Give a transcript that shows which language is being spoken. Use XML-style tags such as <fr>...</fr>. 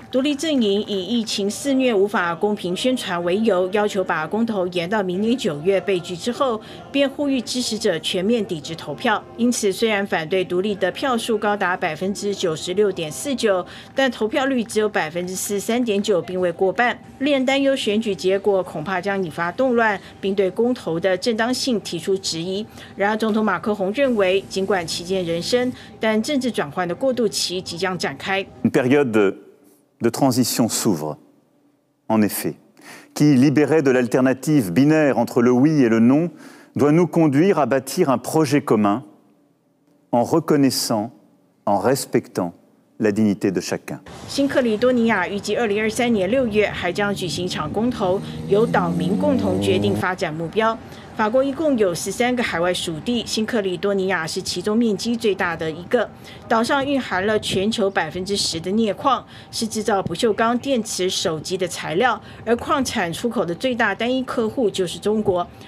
<zh>独立阵营以疫情肆虐无法公平宣传为由，要求把公投延到明年9月被拒之后，便呼吁支持者全面抵制投票，因此虽然反对独立的票数高达96.49%，但投票率只有43.9%，并未过半。令人担忧选举结果恐怕将引发动乱，并对公投的正当性提出质疑。然而，总统马克宏认为，尽管旗舰人生，但政治转换的过渡期即将展开。</zh> <fr>Une période de transition s'ouvre, en effet, qui libérait de l'alternative binaire entre le oui et le non. doit nous conduire à bâtir un projet commun en reconnaissant, en respectant la dignité de chacun.</fr> <zh>新克里多尼亚预计2023年6月还将举行一场公投，由岛民共同决定发展目标。法国一共有13个海外属地，新克里多尼亚是其中面积最大的一个。岛上蕴含了全球10%的镍矿，是制造不锈钢电池手机的材料，而矿产出口的最大单一客户就是中国。</zh>